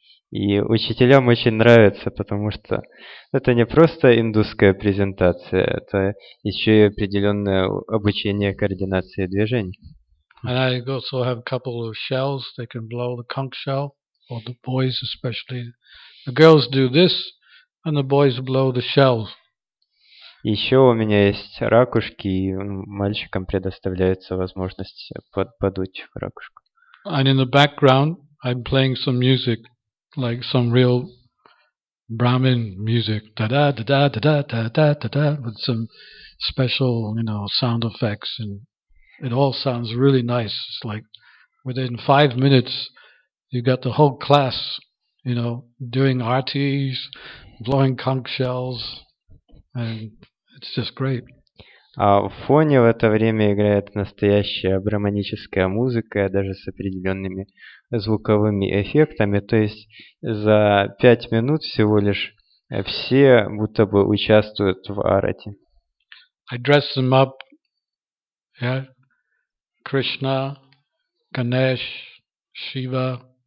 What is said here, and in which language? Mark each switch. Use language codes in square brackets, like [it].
[ru] И учителям очень нравится, потому что это не просто индусская презентация, это еще и определенное обучение координации движений. [en] And I also have a couple of shells. They can blow the conch shell, or the boys especially. The girls do this, and the boys blow the shells. [ru] Еще у меня есть ракушки, и мальчикам предоставляется возможность подуть в ракушку. [en] And in the background, I'm playing some music, like some real Brahmin music, da da da da da da da da da da, with some special, you know, sound effects and. It all sounds really nice. It's like within 5 minutes you got the whole class, you know, doing RTs, blowing conch shells, and it's just great. [ru] А в фоне в это время играет настоящая брахманическая музыка, даже с определенными звуковыми эффектами. То есть за 5 минут всего лишь все будто бы участвуют в арати. [en] I dress them up, yeah. Krishna, Ganesh, Shiva.